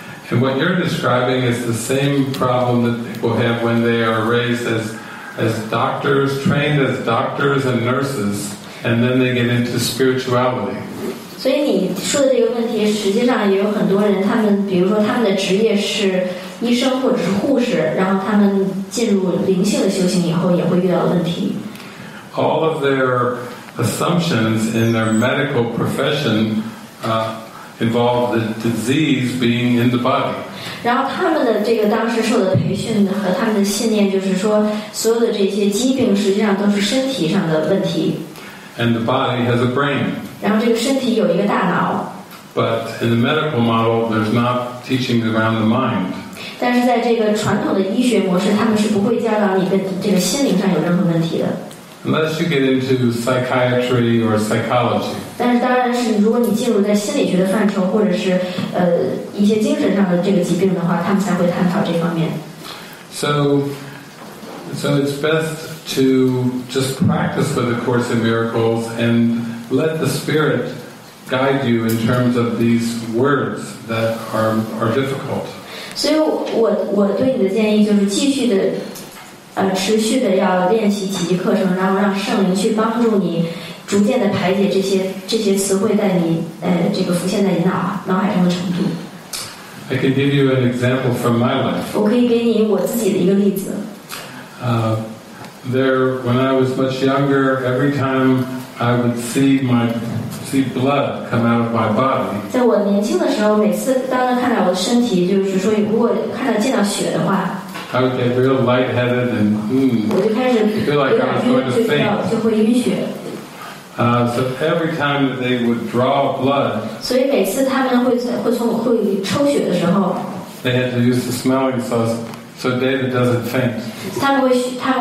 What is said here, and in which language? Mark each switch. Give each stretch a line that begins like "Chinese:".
English: And what you're describing is the same problem that people have when they are raised as doctors, trained as doctors and nurses, and then they get into spirituality.
Chinese: 所以你说的这个问题，实际上也有很多人，他们比如说他们的职业是医生或者是护士，然后他们进入灵性的修行以后，也会遇到问题。
English: All of their assumptions in their medical profession. Involve the disease being in the body.
Chinese: 然后他们的这个当时受的培训和他们的信念就是说，所有的这些疾病实际上都是身体上的问题。
English: And the body has a brain.
Chinese: 然后这个身体有一个大脑。
English: But in the medical model, there's not teaching around the mind.
Chinese: 但是在这个传统的医学模式，他们是不会教导你跟这个心灵上有任何问题的。
English: Unless you get into psychiatry or psychology.
Chinese: 但是当然是如果你进入在心理学的范畴或者是一些精神上的这个疾病的话，他们才会探讨这方面。
English: So it's best to just practice with the Course in Miracles and let the Spirit guide you in terms of these words that are difficult.
Chinese: 所以我对你的建议就是继续的持续的要练习奇迹课程，然后让圣灵去帮助你逐渐的排解这些词汇在你这个浮现在你脑海中的程度。
English: I can give you an example from my life.
Chinese: 我可以给你我自己的一个例子。
English: There, when I was much younger, every time I would see blood come out of my body.
Chinese: 在我年轻的时候，每次当他看到我的身体，就是说，如果看到见到血的话。
English: I would get real lightheaded and feel like I was going to faint. So every time that they would draw blood, they had to use the smelling sauce so David doesn't faint.